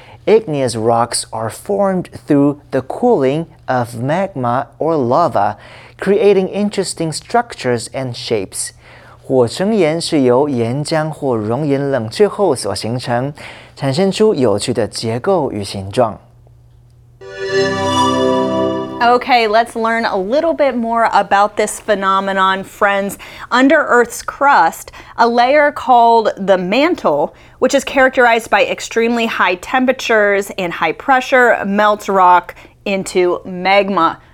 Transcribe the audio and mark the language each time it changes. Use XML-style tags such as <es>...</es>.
<en>Igneous rocks are formed through the cooling of magma or lava, creating interesting structures and shapes.</en> <zh>火成岩是由岩浆或熔岩冷却后所形成，产生出有趣的结构与形状。</zh> <en>Okay, let's learn a little bit more about this phenomenon, friends. Under Earth's crust, a layer called the mantle, which is characterized by extremely high temperatures and high pressure, melts rock into magma.</en>